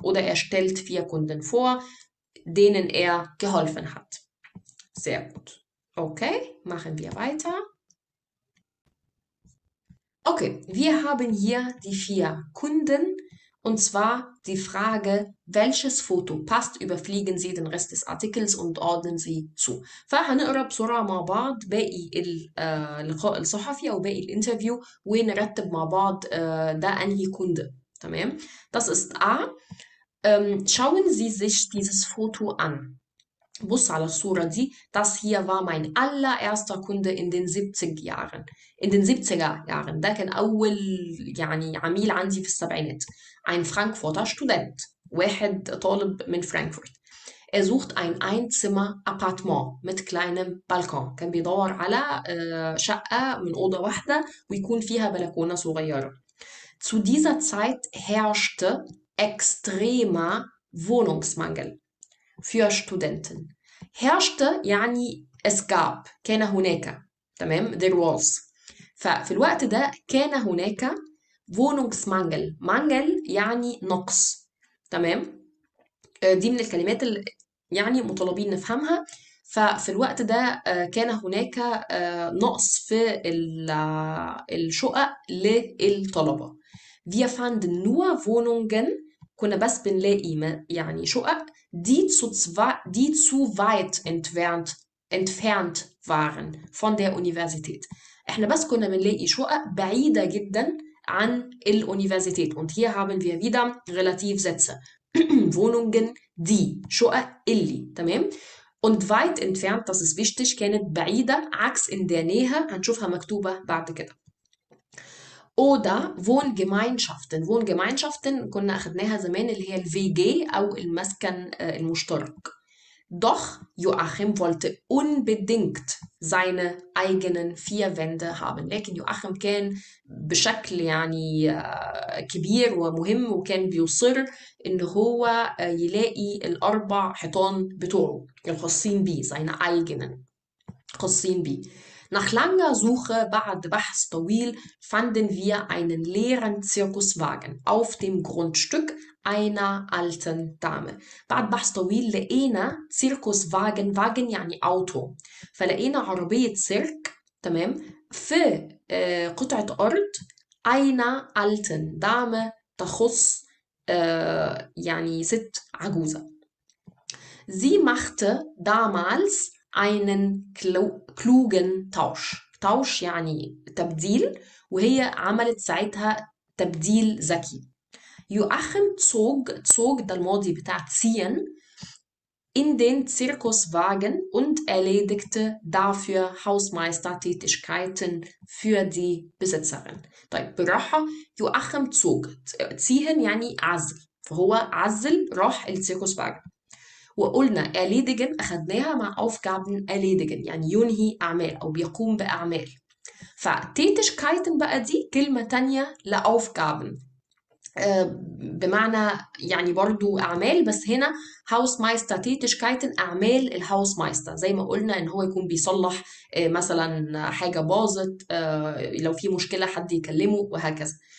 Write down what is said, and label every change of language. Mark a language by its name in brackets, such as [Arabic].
[German] Oder er stellt vier Kunden vor, denen er geholfen hat. Sehr gut. Okay, machen wir weiter. Okay, wir haben hier die vier Kunden. Und zwar die Frage, welches Foto passt, überfliegen Sie den Rest des Artikels und ordnen Sie zu. [Arabic] فهنقرأ بسرعة مع بعض باقي اللقاء الصحفي أو باقي الانترفيو ونرتب مع بعض ده أنهي كunde. تمام؟ [German] Das ist A. Schauen Sie sich dieses Foto an. [Arabic] بص على الصورة دي، [German] das hier war mein allererster Kunde in den 70 Jahren. In den 70er Jahren. [Arabic] ده كان أول يعني عميل عندي في السبعينات. [German] Ein Frankfurter Student. [Arabic] واحد طالب من فرانكفورت. [German] Er sucht ein Einzimmer-Appartement mit kleinem Balkon. [Arabic] كان بيدور على شقة من أوضة واحدة ويكون فيها بلكونة صغيرة. [German] Zu dieser Zeit herrschte extremer Wohnungsmangel für Studenten. [Arabic] Herrschte, يعني [German] es gab, [Arabic] كان هناك, تمام, [English] there was. [Arabic] ففي الوقت ده كان هناك Wohnungsmangel. Mangel يعني نقص, تمام. دي من الكلمات اللي يعني مطالبين نفهمها. ففي الوقت ده كان هناك نقص في الشقق للطلبة. [German] Wir fanden nur Wohnungen, [Arabic] كنا بس بنلاقي يعني شقق, [German] die zu weit entfernt waren von der Universität. [Arabic] احنا بس كنا بنلاقي شقق بعيدة جدا عن الuniversität. [German] Und hier haben wir wieder Relativsätze. Wohnungen, die, [Arabic] شقق اللي, تمام؟ [German] Und weit entfernt, das ist wichtig, [Arabic] كانت بعيدة, عكس [German] in der Nähe, هنشوفها مكتوبة بعد كده. Oder Wohngemeinschaften. [Arabic] Wohngemeinschaften كنا أخذناها زمان اللي هي الVG أو المسكن المشترك. [German] Doch Joachim wollte unbedingt seine eigenen vier Wände haben. [Arabic] لكن Joachim كان بشكل يعني كبير ومهم وكان بيصر إن هو يلاقي الأربع حيطان بتوعه الخاصين بيه, [German] seine eigenen [Arabic] خاصين بيه. [German] Nach langer Suche, [Arabic] بعد بحث طويل, [German] fanden wir einen leeren Zirkuswagen auf dem Grundstück einer alten Dame. [Arabic] بعد بحث طويل لقينا Zirkuswagen, Wagen يعني Auto. فلقينا عربية سيرك, تمام, في قطعة أرض [German] einer alten Dame, [Arabic] تخص يعني ست عجوزة. [German] Sie machte damals einen klugen Tausch. [Arabic] Tausch يعني تبديل, وهي عملت ساعتها تبديل ذكي. [German] Joachim zog [Arabic] ده الماضي بتاع [German] ziehen in den Zirkuswagen und erledigte dafür Hausmeistertätigkeiten für die Besitzerin. [Arabic] طيب براحة, Joachim zog ziehen يعني عزل, فهو عزل راح الزيركوسفاجن. وقلنا erledigen, أخذناها مع [German] Aufgaben erledigen, [Arabic] يعني ينهي أعمال أو بيقوم بأعمال. فتيتشكايتن بقى دي كلمة تانية لأوفجابن, بمعنى يعني برضو أعمال, بس هنا Hausmeister تيتشكايتن أعمال الهاوسمايستر, زي ما قلنا إن هو يكون بيصلح مثلا حاجة باظت, لو في مشكلة حد يكلمه وهكذا.